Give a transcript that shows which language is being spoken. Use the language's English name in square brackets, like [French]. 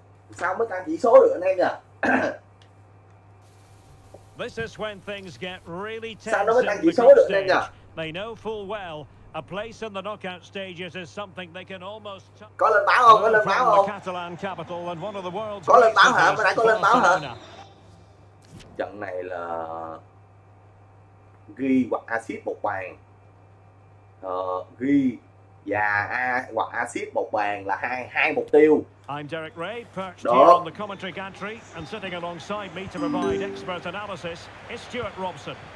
[Vietnamese] Sao mới tăng chỉ số được anh em nhờ. [English] This is when things get really tense. [Vietnamese] Sao nó mới tăng chỉ số được anh em nhờ. [English] They know full well. A place in the knockout stages is something they can almost... [Vietnamese] Có lên báo không? Có lên báo hả? Mới nãy có lên báo hả? Trận này là... ghi hoặc acid một bàn. Hoặc acid một bàn là hai mục tiêu. [English] I'm Derek Ray, perched here on the commentary gantry and sitting alongside me to provide expert analysis is Stuart Robson.